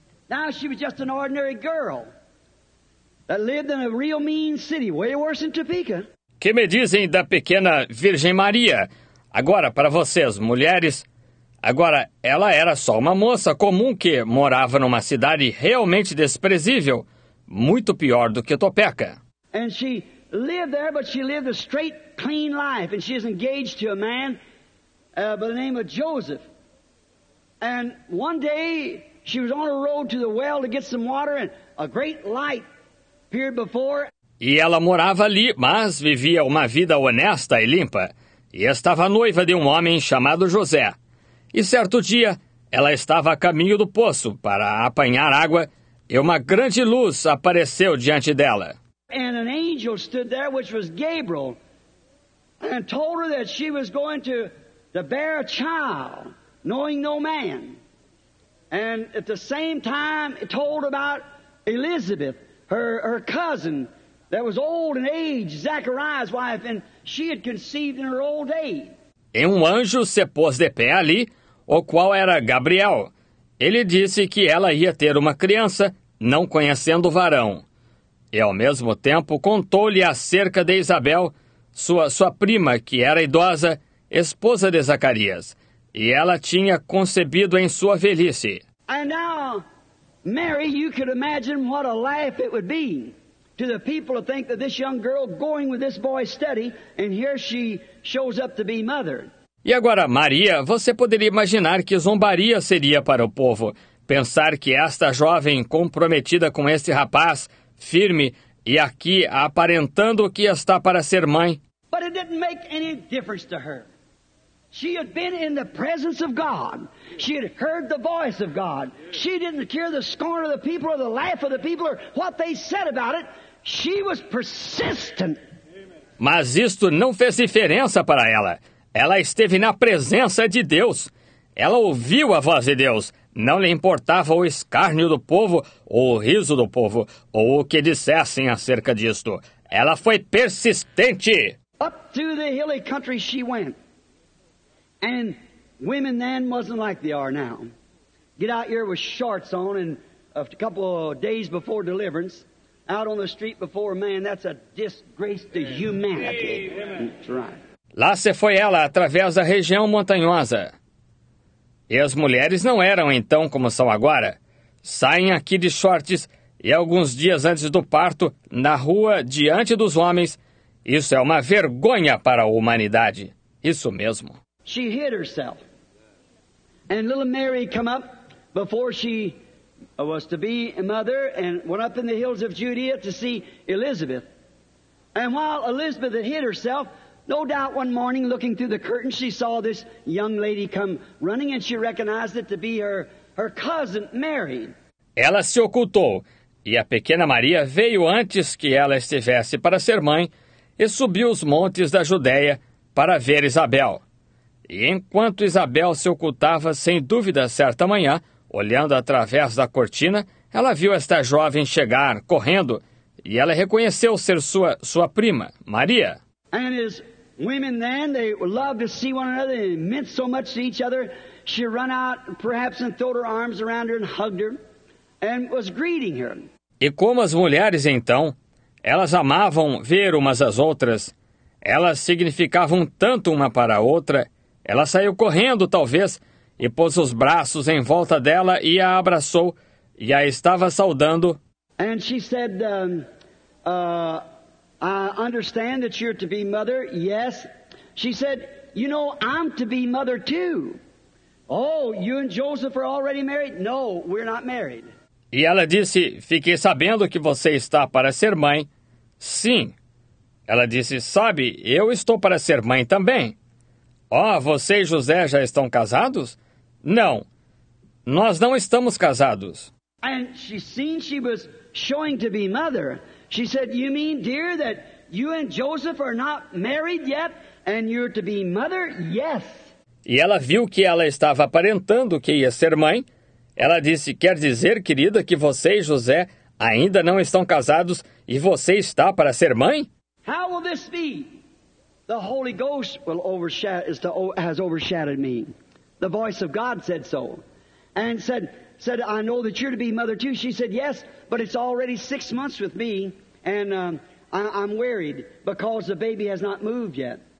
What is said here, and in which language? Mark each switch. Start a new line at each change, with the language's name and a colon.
English: Now she was just an ordinary girl that lived in a real mean city, way worse than Topeka.
Portuguese: Que me dizem da pequena Virgem Maria? Agora, para vocês, mulheres, agora, ela era só uma moça comum que morava numa cidade realmente desprezível, muito pior do que Topeka.
English: And she lived there, but she lived a straight, clean life, and she is engaged to a man by the name of Joseph. And one day, she was on a road to the well to get some water, and a great light appeared before.
Portuguese: E ela morava ali, mas vivia uma vida honesta e limpa. E estava noiva de um homem chamado José. E certo dia, ela estava a caminho do poço para apanhar água, e uma grande luz apareceu diante dela.
English: And an angel stood there, which was Gabriel, and told her that she was going to bear a child, knowing no man. And at the same time, told about Elizabeth, her cousin, that was old in age, Zachariah's wife, and she had conceived in her old age.
Portuguese: E um anjo se pôs de pé ali, o qual era Gabriel. Ele disse que ela ia ter uma criança, não conhecendo o varão. E ao mesmo tempo contou-lhe acerca de Isabel, sua prima, que era idosa, esposa de Zacarias. E ela tinha concebido em sua velhice.
English: And now, Mary, you could imagine what a life it would be to the people to think that this young girl going with this boy study, and here she shows up to be mother.
Portuguese: E agora, Maria, você poderia imaginar que zombaria seria para o povo pensar que esta jovem comprometida com este rapaz, firme e aqui aparentando que está para ser mãe.
English: But it didn't make any difference to her. She had been in the presence of God. She had heard the voice of God. She didn't care the scorn of the people or the laugh of the people or what they said about it. She was persistent.
Portuguese: Mas isto não fez diferença para ela. Ela esteve na presença de Deus. Ela ouviu a voz de Deus. Não lhe importava o escárnio do povo ou o riso do povo ou o que dissessem acerca disto. Ela foi persistente.
English: Up to the hilly country she went. And women then wasn't like they are now. Get out here with shorts on and a couple of days before deliverance, out on the street before a man, that's a disgrace to humanity. That's right.
Portuguese: Lá se foi ela através da região montanhosa. E as mulheres não eram então como são agora. Saem aqui de shorts e alguns dias antes do parto, na rua, diante dos homens. Isso é uma vergonha para a humanidade. Isso mesmo.
English: She hid herself. And little Mary come up before she was to be a mother and went up in the hills of Judea to see Elizabeth. And while Elizabeth had hid herself, no doubt one morning looking through the curtain, she saw this young lady come running and she recognized it to be her cousin Mary.
Portuguese: Ela se ocultou e a pequena Maria veio antes que ela estivesse para ser mãe e subiu os montes da Judéia para ver Isabel. E enquanto Isabel se ocultava, sem dúvida, certa manhã, olhando através da cortina, ela viu esta jovem chegar, correndo, e ela reconheceu ser sua prima, Maria.
English: And as women then, they loved to see one another, and meant so much to each other, she ran out, perhaps, and threw her arms around her and hugged her, and was greeting her.
Portuguese: E como as mulheres, então, elas amavam ver umas às outras, elas significavam tanto uma para a outra. Ela saiu correndo, talvez, e pôs os braços em volta dela e a abraçou, e a estava saudando.
English: And she said, I understand that you're to be mother, yes. She said, you know, I'm to be mother too. Oh, you and Joseph are already married? No, we're not married.
Portuguese: E ela disse, fiquei sabendo que você está para ser mãe. Sim. Ela disse, sabe, eu estou para ser mãe também. Oh, você e José já estão casados? Não. Nós não estamos casados.
English: And she seen she was showing to be mother. She said, you mean, dear, that you and Joseph are not married yet and you're to be mother? Yes.
Portuguese: E ela viu que ela estava aparentando que ia ser mãe. Ela disse, quer dizer, querida, que você e José ainda não estão casados e você está para ser mãe?
English: How will this be? The Holy Ghost will has overshadowed me. The voice of God said so. And said, I know that you're to be mother too. She said, yes, but it's already 6 months with me. And I'm worried because the baby has not moved yet.